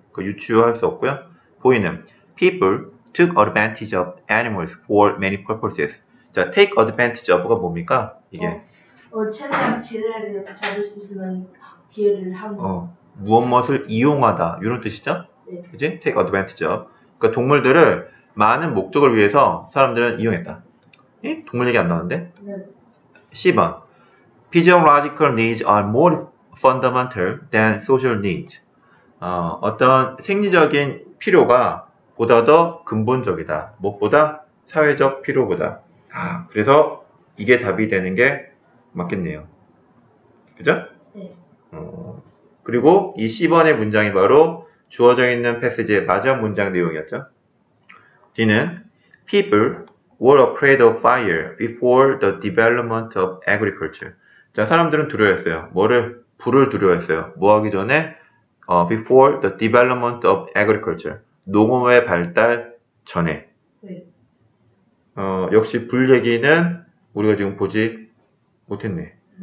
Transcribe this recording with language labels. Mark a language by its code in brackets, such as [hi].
[ko] 그 유추할 수 없고요 보이는 [en] people took advantage of animals for many purposes 자 take advantage of [ko] 가 뭡니까 이게 최대한 기회를 잡을 수 있으면 기회를 하는 거. 무엇을 이용하다 이런 뜻이죠? 네. 그치? [en] Take advantage of. [ko] 그러니까 동물들을 많은 목적을 위해서 사람들은 이용했다. 에? 동물 얘기 안 나오는데? 네. C번. [en] Physiological needs are more fundamental than social needs. [ko] 어떤 생리적인 필요가 보다 더 근본적이다. 무엇보다 사회적 필요보다. 아, 그래서 이게 답이 되는 게 맞겠네요. 그죠? 그리고 이 10번의 문장이 바로 주어져 있는 패시지의 마지막 문장 내용이었죠. D는 [en] people were afraid of fire before the development of agriculture. [ko] 자, 사람들은 두려워했어요. 뭐를? 불을 두려워했어요. 뭐 하기 전에? [en] Before the development of agriculture. [ko] 농업의 발달 전에. 역시 불 얘기는 우리가 지금 보지 못했네.